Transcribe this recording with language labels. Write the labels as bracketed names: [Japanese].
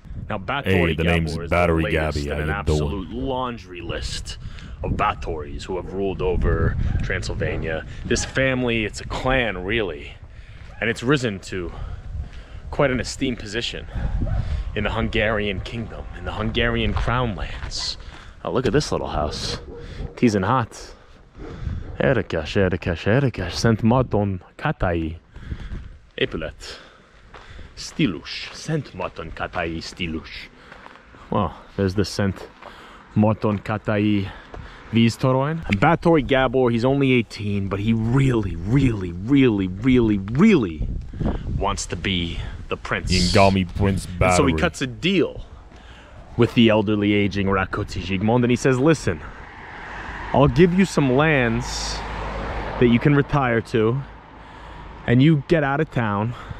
[English] Now, Báthory Gábor is the latest in an absolute laundry list of Báthorys who have ruled over Transylvania. This family, it's a clan, really. And it's risen to quite an esteemed position in the Hungarian kingdom, in the Hungarian crown lands. Oh, look at this little house. Teasing hot. [Hungarian] Érdekes, érdekes, érdekes. Szentmártonkátai épület. Stílus. Szentmártonkátai stílus. [English] Well, there's the Szentmártonkátai víztorony. And Báthory Gábor, he's only 18, but he really, really, really, really, really wants to be the prince. You can call me Prince Báthory. So he cuts a deal with the elderly, aging Rákóczi Zsigmond, and he says, listen, I'll give you some lands that you can retire to, and you get out of town.